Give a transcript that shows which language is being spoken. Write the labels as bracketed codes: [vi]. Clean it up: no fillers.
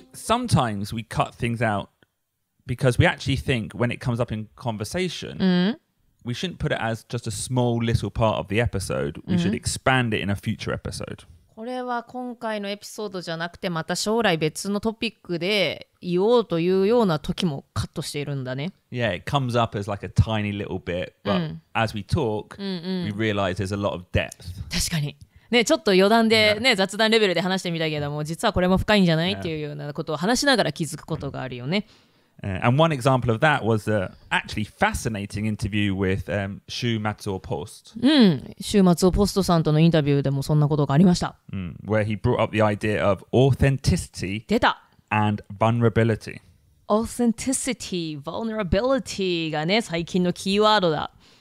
[en] Sometimes we cut things out because we actually think when it comes up in conversation,We shouldn't put it as just a small little part of the episode. We should expand it in a future episode. [ja] これは今回のエピソードじゃなくてまた将来別のトピックで言おうというような時もカットしているんだね。 [en] Yeah, it comes up as like a tiny little bit, but as we talk, we realize there's a lot of depth. [ja] 確かに。ね、ちょっと余談で、ね、雑談レベルで話してみたけども、実はこれも深いんじゃない っていうようなことを話しながら気づくことがあるよね。 [en] And one example of that was an actually fascinating interview with Shu Matsuo Post. [ja] Shu Matsuo Post さんとのインタビューでもそんなことがありました。 [en] Where he brought up the idea of authenticity and vulnerability. [ja] Authenticity, vulnerability がね、最近のキーワードだ。